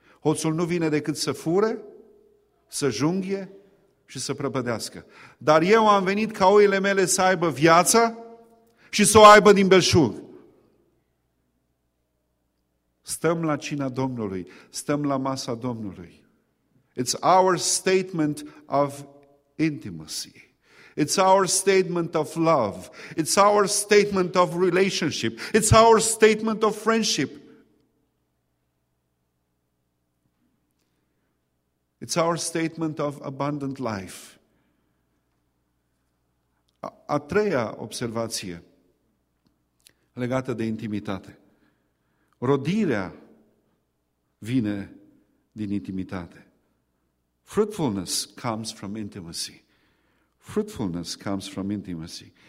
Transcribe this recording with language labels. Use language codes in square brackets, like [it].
[ro] Hoțul nu vine decât să fure, să junghie și să prăpădească. Dar eu am venit ca oile mele să aibă viața și să o aibă din belșug. Stăm la cina Domnului, stăm la masa Domnului. [en] It's our statement of intimacy. It's our statement of love. It's our statement of relationship. It's our statement of friendship. It's our statement of abundant life. [ro] A treia observație legată de intimitate. Rodirea vine din intimitate. [en] Fruitfulness comes from intimacy. Fruitfulness comes from intimacy.